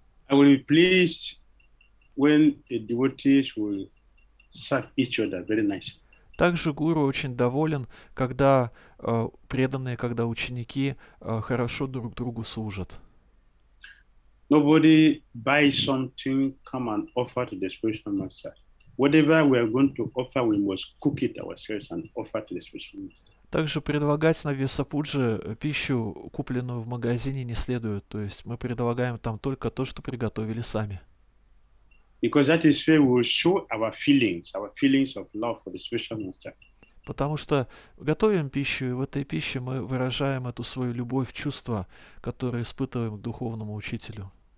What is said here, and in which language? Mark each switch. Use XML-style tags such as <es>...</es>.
<en>I will be pleased when the devotees will serve each other very nice.</en> <ru>Также гуру очень доволен, когда преданные, когда ученики хорошо друг другу служат.</ru> <en>Nobody buys something, come and offer to the spiritual master. Whatever we are going to offer, we must cook it ourselves and offer to the spiritual master.</en> <ru>Также предлагать на Вьясапудже пищу, купленную в магазине, не следует. То есть мы предлагаем там только то, что приготовили сами.</ru> <en>Because that is where we will show our feelings of love for the spiritual master.</en> <ru>Потому что готовим пищу, и в этой пище мы выражаем эту свою любовь, чувство, которое испытываем к духовному учителю.</ru>